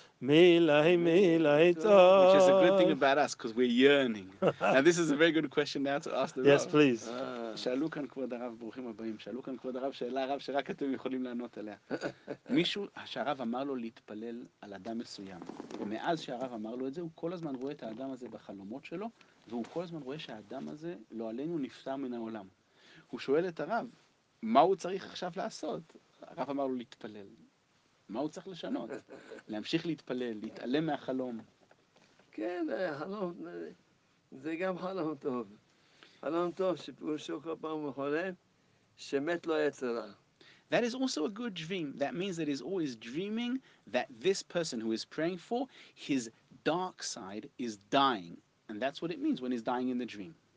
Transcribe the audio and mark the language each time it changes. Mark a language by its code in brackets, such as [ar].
[en] Which is a good thing about us, because we're yearning. And this is a very good question now to ask the yes, Rav. Please. [he] שאלו כאן כבוד הרב, ברוכים הבאים. שאלו כאן כבוד הרב, שאלה הרב שרק אתם יכולים לענות עליה. מישהו, שהרב אמר לו להתפלל על אדם מסוים. ומאז שהרב אמר לו את זה, הוא כל הזמן רואה את האדם הזה בחלומות שלו, והוא כל הזמן רואה שהאדם הזה לא עלינו נפטר מן העולם. הוא שואל את הרב, מה הוא צריך עכשיו לעשות? הרב אמר לו להתפלל. מה הוא צריך לשנות? להמשיך להתפלל, להתעלם מהחלום. כן, חלום, זה גם חלום טוב. חלום טוב שפירושו כל פעם הוא חולם, שמת לו היצרה. [en] That is also a good dream. That means that he's always dreaming that this person who is praying for, his dark side is dying. And that's what it means when he's dying in the dream.